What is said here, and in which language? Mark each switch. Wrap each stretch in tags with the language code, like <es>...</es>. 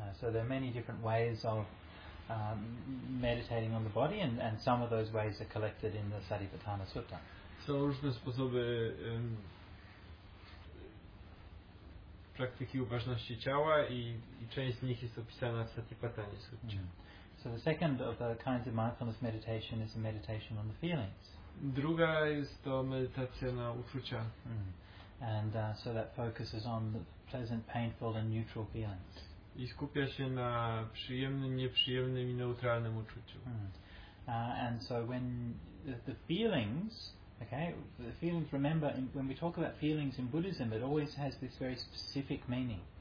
<en>So there are many different ways of meditating on the body and some of those ways are collected in the Satipatthana Sutta.</en> <pl>Są różne sposoby praktyki uważności ciała i część z nich jest opisana w Satipatthana Sutta.</pl> <en>So the second of the kinds of mindfulness meditation is a meditation on the feelings.</en> <pl>Druga jest to medytacja na uczucia.</pl> <en>And so that focuses on pleasant, painful and neutral feelings.</en> <pl>I skupia się na przyjemnym, nieprzyjemnym i neutralnym uczuciu.</pl> <en>And so when the feelings, okay, the feelings, remember, when we talk about feelings in Buddhism, it always has this very specific meaning.</en>